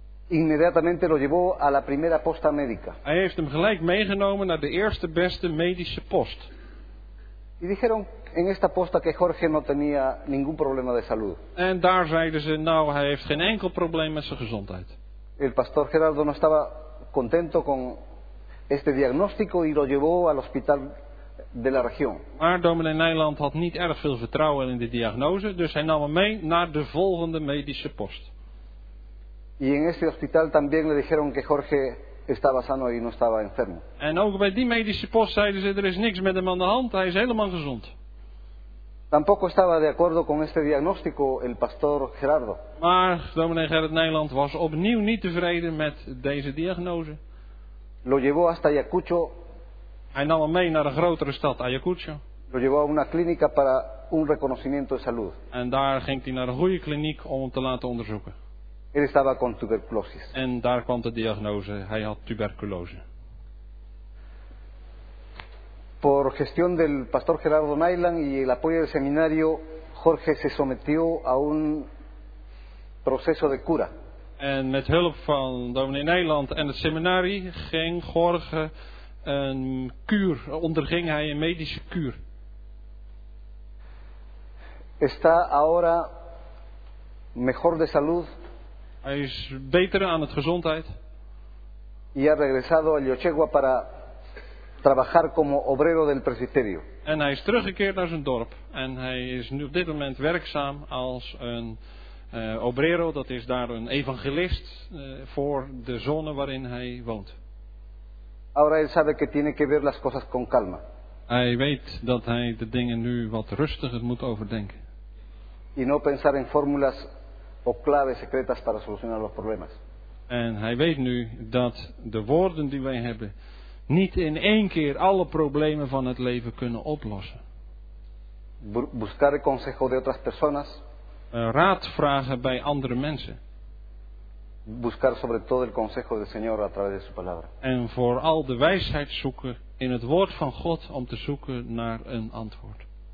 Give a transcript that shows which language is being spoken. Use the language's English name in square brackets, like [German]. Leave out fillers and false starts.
[Spanish] Inmediatamente lo llevó a la primera posta médica. [Dutch] Hij heeft hem gelijk meegenomen naar de eerste beste medische post. [Spanish] Y dijeron en esta posta que Jorge no tenía ningún problema de salud. [Dutch] En daar zeiden ze, nou, hij heeft geen enkel probleem met zijn gezondheid. [Spanish] El pastor Gerardo no estaba contento con este diagnóstico y lo llevó al hospital de la región. [Dutch] Maar dominee Nijland had niet erg veel vertrouwen in de diagnose, dus hij nam hem mee naar de volgende medische post. [Spanish] Y en este hospital también le dijeron que Jorge estaba sano y no estaba enfermo. [Dutch] En ook bij die medische post zeiden ze, er is niks met hem aan de hand, hij is helemaal gezond. [Spanish] Tampoco estaba de acuerdo con este diagnóstico el pastor Gerardo. [Dutch] Maar dominee Gerard Nijland was opnieuw niet tevreden met deze diagnose. [Spanish] Lo llevó hasta Ayacucho. [Dutch] Hij nam hem mee naar de grotere stad Ayacucho. [Spanish] Lo llevó a una clínica para un reconocimiento de salud. [Dutch] En daar ging hij naar een goede kliniek om hem te laten onderzoeken. [Spanish] Él estaba con tuberculosis. [Dutch] En daar kwam de diagnose, hij had tuberculose. [Spanish] Por gestión del pastor Gerardo Nailan y el apoyo del seminario, Jorge se sometió a un proceso de cura. [Dutch] En met hulp van dominee Nijland en het seminarie ging Jorge een kuur, onderging hij een medische kuur. [Spanish] Está ahora mejor de salud. [Dutch] Hij is beter aan het gezondheid. [Spanish] Y ha regresado a Yochegua para trabajar como obrero del presbiterio. [Dutch] En hij is teruggekeerd naar zijn dorp en hij is nu op dit moment werkzaam als een obrero, dat is daar een evangelist voor de zone waarin hij woont. [Spanish] Ahora él sabe que tiene que ver las cosas con calma. [Dutch] Hij weet dat hij de dingen nu wat rustiger moet overdenken. [Spanish] Y no pensar en fórmulas o claves secretas para solucionar los problemas. [Dutch] En hij weet nu dat de woorden die wij hebben niet in één keer alle problemen van het leven kunnen oplossen. [Spanish] Buscar el consejo de otras personas. [Dutch] Raad vragen bij andere mensen. [Spanish] Buscar sobre todo el consejo del Señor a través de su palabra. [Dutch] En vooral de wijsheid zoeken in het woord van God om te zoeken naar een antwoord.